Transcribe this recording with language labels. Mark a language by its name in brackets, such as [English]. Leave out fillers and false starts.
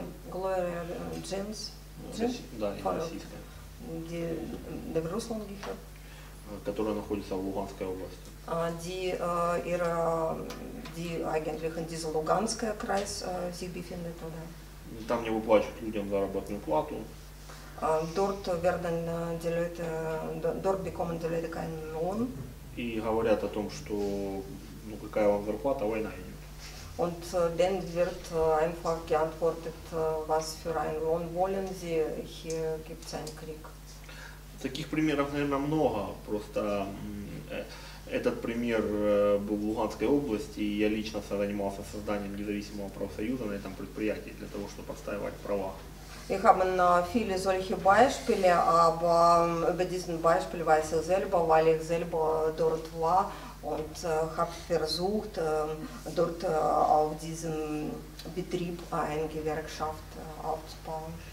[German] Gloria Jeans. [Russian] Да, [German] in Russland. Die in Russland liegt. Die in Luhansk Oblast. Die eigentlich in diesem Luhansk Kreis sich befindet, oder? [Russian] Там не выплачивают людям заработную плату. [German] Dort werden die Leute, dort bekommen die Leute keinen Lohn. [Russian] И говорят о том, что ну какая вам зарплата, война идет. [German] Und dann wird einfach geantwortet, was für einen Lohn wollen Sie? Hier gibt es einen Krieg. [Russian] Таких примеров, наверное, много. Просто этот пример был в Луганской области, и я лично занимался созданием независимого профсоюза на этом предприятии для того, чтобы отстаивать права. [German] Wir haben viele solche Beispiele, aber über diesen Beispiel weiß ich selber, weil ich selber dort war und habe versucht, dort auf diesem Betrieb eine Gewerkschaft aufzubauen.